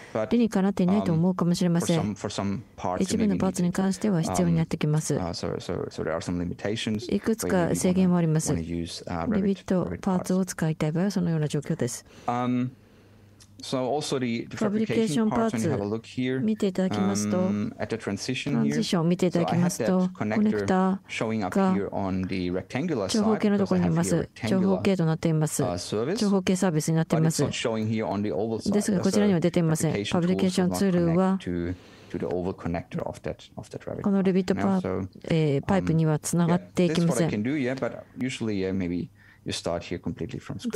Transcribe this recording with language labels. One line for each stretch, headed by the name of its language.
Japanese: 理にかなっていないと思うかもしれません。一部のパーツに関しては必要になってきます。いくつか制限もあります。レビットパーツを使いたい場合はそのような状況です。
English: So also the fabrication parts, when you have a look here, at the transition here, so I have that connector showing up here on the rectangular side, because I have here a rectangular service, but it's not showing here on the oval side, because the fabrication tools are not connected to the oval connector of that Revit.
Japanese: このレビットパイプにはつながっていきません。
English: This is what I can do, yeah, but usually maybe you start here completely from scratch.